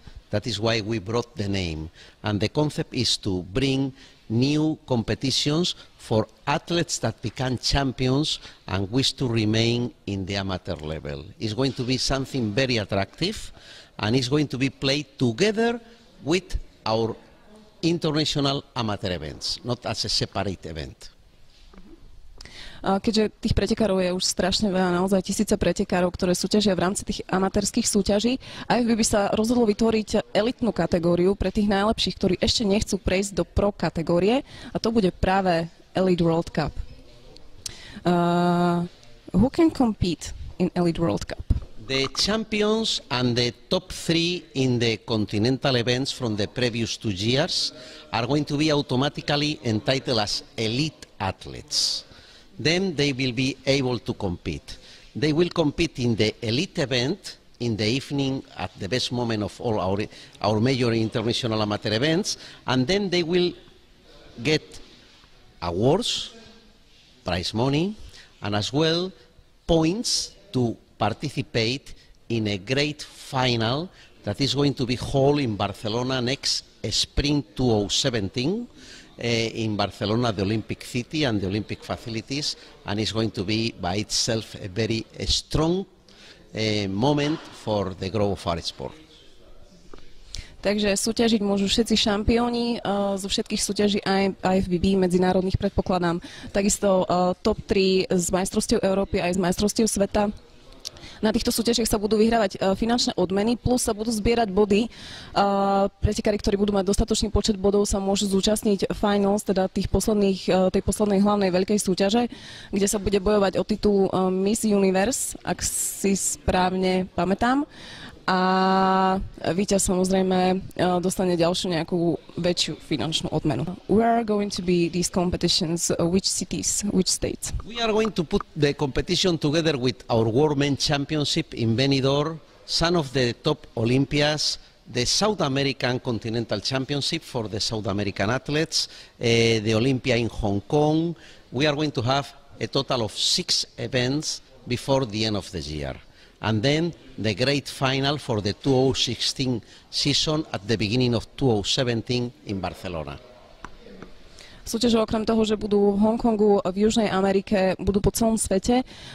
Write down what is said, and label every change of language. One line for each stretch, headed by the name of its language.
English: That is why we brought the name. And the concept is to bring new competitions for athletes that become champions and wish to remain in the amateur level. It's going to be something very attractive, and it's going to be played together with our international amateur events, not as a separate event.
Slovak: Keďže tých pretekárov je už strašne veľa, naozaj tisíce pretekárov, ktoré súťažia v rámci tých amatérskych súťaží, IFBB by sa rozhodlo vytvoriť elitnú kategóriu pre tých najlepších, ktorí ešte nechcú prejsť do pro kategórie, a to bude práve Elite World Cup.
English: Who can compete in Elite World Cup? The champions and the top three in the continental events from the previous 2 years are going to be automatically entitled as elite athletes. Then they will be able to compete. They will compete in the elite event in the evening at the best moment of all our major international amateur events, and then they will get awards, prize money, and as well points to participate in a great final that is going to be held in Barcelona next spring 2017. In Barcelona, the Olympic city and the Olympic facilities, and it's going to be by itself a very strong moment for the growth of our sport.
Slovak: Takže súťažiť môžu všetci šampióni zo všetkých súťaží IFBB medzinárodných, predpokladám. Takisto top 3 z majstrovstiev Európy aj z majstrovstiev sveta. Na týchto súťažiach sa budú vyhrávať finančné odmeny, plus sa budú zbierať body. Pretekári, ktorí budú mať dostatočný počet bodov, sa môžu zúčastniť finals, teda tej poslednej hlavnej veľkej súťaže, kde sa bude bojovať o titul Miss Universe, ak si správne pamätám. A víťaz samozrejme dostane ďalšiu nejakú väčšiu finančnú odmenu.
English: Where are going to be these competitions? Which cities? Which states? We are going to put the competition together with our World Men Championship in Benidorm, some of the top Olympias, the South American Continental Championship for the South American athletes, the Olympia in Hong Kong. We are going to have a total of 6 events before the end of the year. And then the great final for the 2016 season at the beginning of 2017 in Barcelona.
Slovak: Súťaže okrem toho, že budú v Hongkongu, v Južnej Amerike, budú po celom svete.